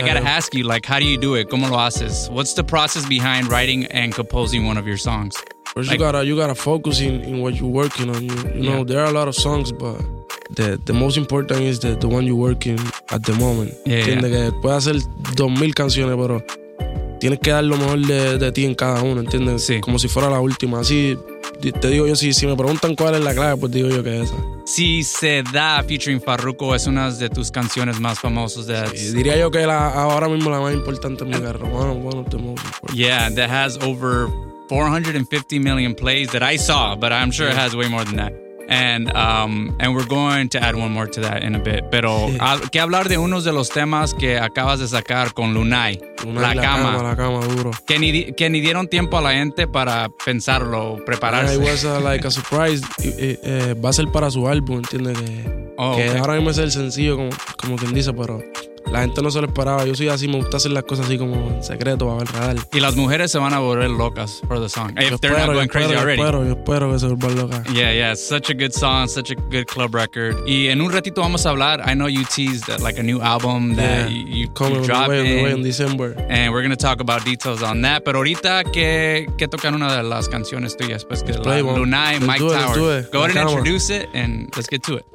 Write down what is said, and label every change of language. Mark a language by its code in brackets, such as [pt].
[en] I gotta ask you, like, how do you do it? [es] ¿Cómo lo haces? [en] What's the process behind writing and composing one of your songs? First, like, you gotta focus in what you're working on. You know, there are a lot of songs, but the most important is the one you're working at the moment. Yeah, [es] ¿entiendes? [en] Yeah. [es] Que puedes hacer 2,000 canciones, pero tienes que dar lo mejor de ti en cada uno, ¿entiendes? Sí. Como si fuera la última. Así, te digo yo, si me preguntan cuál es la clave, pues digo yo que es esa. Si se da featuring Farruko, es una de tus canciones más famosas. Sí, diría yo que ahora mismo la más importante en mi carrera. [en] One of the most important. Yeah, that has over 450 million plays that I saw, but I'm sure it has way more than that. And we're going to add one more to that in a bit. [es] Pero que hablar de unos de los temas que acabas de sacar con Lunay. La cama, duro. Que ni dieron tiempo a la gente para pensarlo, prepararse. [en] It was like a surprise. [es] Va a ser para su álbum, ¿entiendes? Que ahora mismo es el sencillo, como quien dice, pero la gente no se lo esperaba. Yo soy así, me gusta hacer las cosas así como en secreto, para ver real. Y las mujeres se van a volver locas [en] for the song. If they're not going crazy already. [es] Yo espero que se vuelvan locas. [en] Yeah, such a good song, such a good club record. [es] Y en un ratito vamos a hablar. [en] I know you teased like a new album that you dropped in December. And we're going to talk about details on that. [es] Pero ahorita, ¿qué tocan una de las canciones tuyas? Pues que Lunay, Mike Towers. [en] Let's do it. Go ahead and introduce it and let's get to it.